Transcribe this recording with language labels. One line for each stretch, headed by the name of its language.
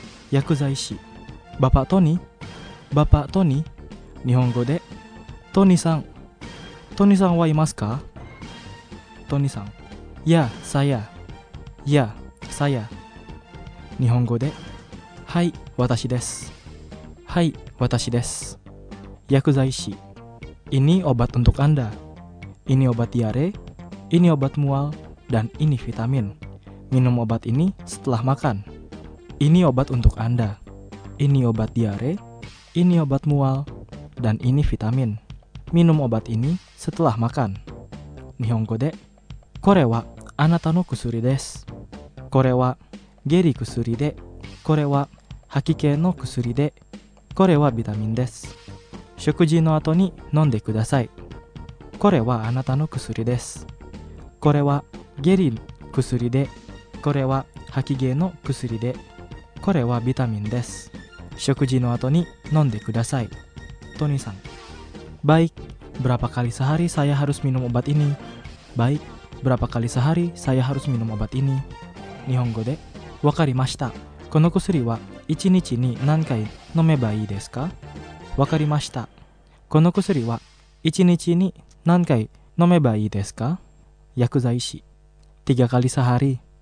Japanese: 薬剤師バパトニー、バパトニー、日本語でトニーさん、トニーさんはいますか。トニーさん、いや、さや、いや、さや、日本語で、はい、私です。はい、私です。
Indonesian: 薬剤師、ini obat untuk anda, ini obat diare, ini obat mual, dan ini vitamin. Minum obat ini setelah makan. Ini obat untuk anda, ini obat diare, ini obat mual, dan ini vitamin. Minum obat ini setelah makan.
Japanese: 日本語で、これはあなたの薬です。これは下痢薬で、これは吐き気の薬で、これはビタミンです。食事の後に飲んでください。これはあなたの薬です。これは下痢薬で、これは吐き気の薬で、これはビタミンです。食事の後に飲んでください。トニーさん。
Indonesian: Baik, berapa kali sehari saya harus minum obat ini? Baik, berapa kali sehari saya harus minum obat ini?
Japanese: 日本語で、わかりました。この薬は1日に何回飲めばいいですか？わかりました。この薬は1日に何回飲めばいいですか？
Indonesian: 薬剤師、3 kali sehari.